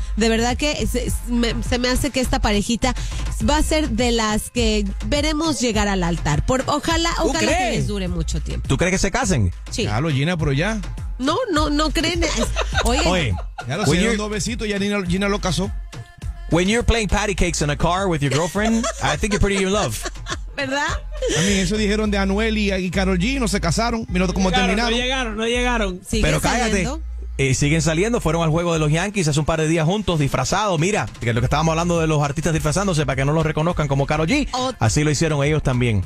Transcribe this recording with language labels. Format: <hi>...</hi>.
<es>De verdad que se me hace que esta parejita va a ser de las que veremos llegar al altar. Ojalá que les dure mucho tiempo. ¿Tú crees que se casen? Sí. Claro, Gina, pero ya. No creen. Oye. Ya lo hicieron dos besitos, ya Gina lo casó.</es> <en>When you're playing patty cakes in a car with your girlfriend, I think you're pretty in love.</en> <es>¿Verdad? A mí eso dijeron de Anuel y Karol G, no se casaron. Mira cómo llegaron, terminaron. No llegaron. Sigue. Pero cállate. Saliendo. siguen saliendo, fueron al juego de los Yankees hace un par de días juntos, disfrazados. Mira, que lo que estábamos hablando de los artistas disfrazándose para que no los reconozcan como Karol G. Así lo hicieron ellos también.</es>